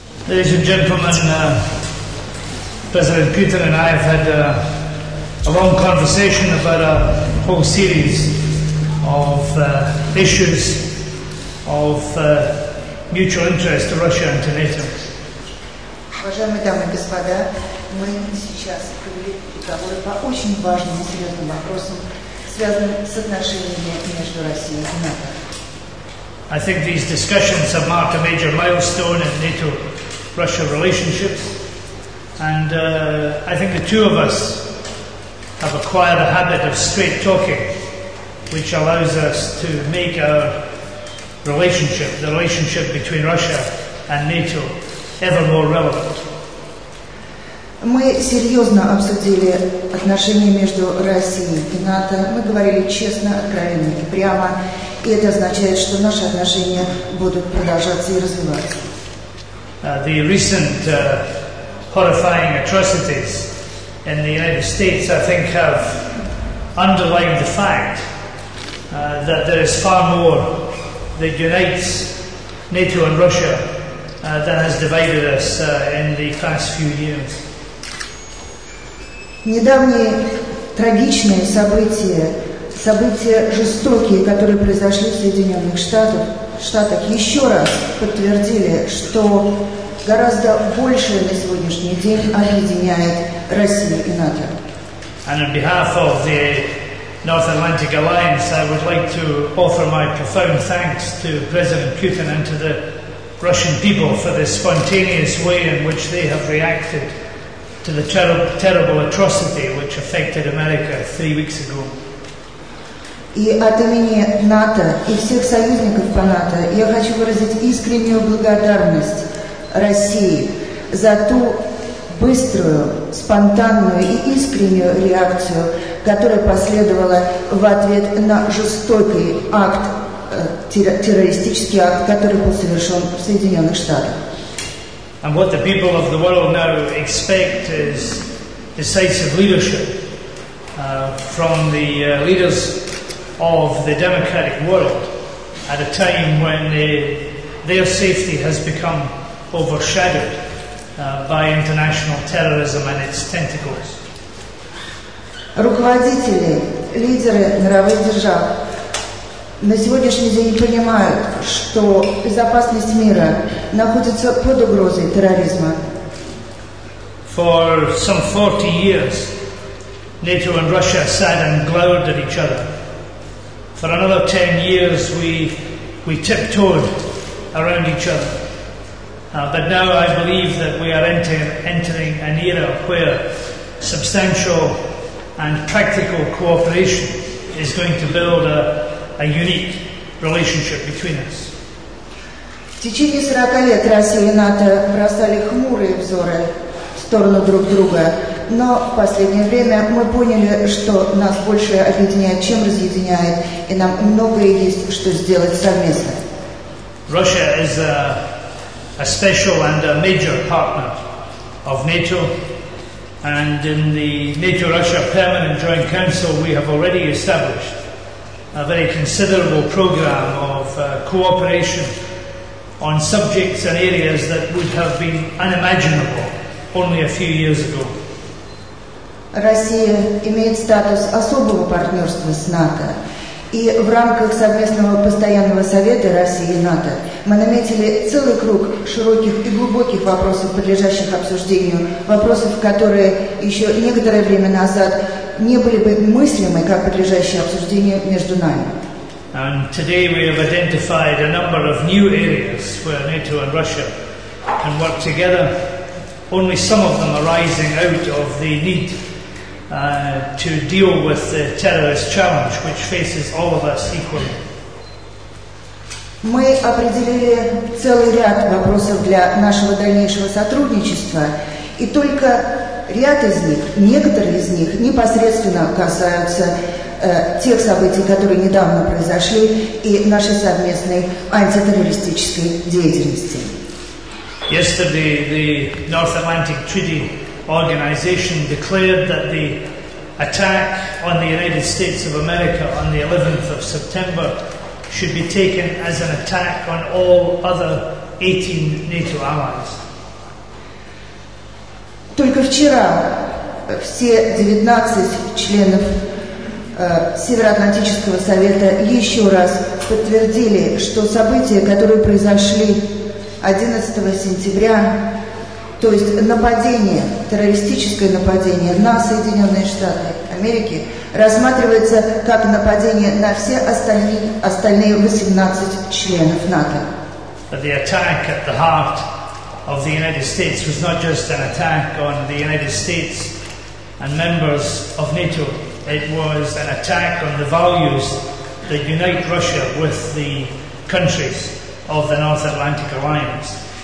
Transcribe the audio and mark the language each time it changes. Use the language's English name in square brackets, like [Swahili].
[English] Ladies and gentlemen, President Keaton and I have had a long conversation about a whole series of issues of mutual interest to Russia and to NATO. [Russian] Уважаемые дамы и господа, мы сейчас провели переговоры по очень важным и серьезным вопросам, связанным с отношениями между Россией и НАТО. [English] I think these discussions have marked a major milestone in NATO-Russia relationships, and I think the two of us have acquired a habit of straight talking, which allows us to make our relationship, the relationship between Russia and NATO, ever more relevant. [Russian] Мы серьезно обсудили отношения между Россией и НАТО. Мы говорили честно, откровенно и прямо. И это означает, что наши отношения будут продолжаться и развиваться. [English] The recent horrifying atrocities in the United States, I think, have underlined the fact that there is far more that unites NATO and Russia than has divided us in the past few years. [Russian] Недавние трагичные события, события жестокие, которые произошли в Соединенных Штатах, еще раз подтвердили, что гораздо больше на сегодняшний день объединяет Россию и НАТО. [English] And on behalf of the North Atlantic Alliance, I would like to offer my profound thanks to President Putin and to the Russian people for the spontaneous way in which they have reacted to the terrible atrocity which affected America 3 weeks ago. [Russian] И от имени НАТО и всех союзников по НАТО я хочу выразить искреннюю благодарность России за ту быструю, спонтанную и искреннюю реакцию, которая последовала в ответ на жестокий акт, террористический акт, который был совершен в Соединенных Штатах. [English] And what the people of the world now expect is decisive leadership from the leaders of the democratic world at a time when their safety has become overshadowed by international terrorism and its tentacles. [Russian] Руководители, лидеры мировых держав на сегодняшний день понимают, что безопасность мира находится под угрозой терроризма. [English] For some 40 years, NATO and Russia sat and glowered at each other. For another 10 years, we tiptoed around each other. But now I believe that we are entering an era where substantial and practical cooperation is going to build a unique relationship between us. [Russian] В течение 40 лет Россия и НАТО бросали хмурые взоры в сторону друг друга, но в последнее время мы поняли, что нас больше объединяет, чем разъединяет, и нам многое есть, что сделать совместно. [English] Russia is a special and a major partner of NATO. And in the NATO-Russia Permanent Joint Council, we have already established a very considerable program of cooperation on subjects and areas that would have been unimaginable only a few years ago. [Russian] Россия имеет статус особого партнерства с НАТО. И в рамках совместного постоянного совета России и НАТО мы наметили целый круг широких и глубоких вопросов, подлежащих обсуждению, вопросов, которые еще некоторое время назад не были бы мыслимы как подлежащие обсуждению между нами. [English] And today we have identified a number of new areas where NATO and Russia can work together, only some of them arising out of the need to deal with the terrorist challenge which faces all of us equally. [Russian] Мы определили целый ряд вопросов для нашего дальнейшего сотрудничества, и только ряд из них, некоторые из них, непосредственно касаются тех событий, которые недавно произошли, и нашей совместной антитеррористической деятельности. [English] Yesterday, the North Atlantic Treaty Organization declared that the attack on the United States of America on the 11th of September should be taken as an attack on all other 18 NATO allies. [Russian] только вчера все 19 членов Североатлантического совета еще раз подтвердили, что события, которые произошли 11 сентября, то есть нападение, террористическое нападение на Соединенные Штаты Америки, рассматривается как нападение на все остальные 18 членов НАТО. [English] But the attack at the heart of the United States was not just an attack on the United States and members of NATO. It was an attack on the values that unite Russia with the countries of the North Atlantic Alliance.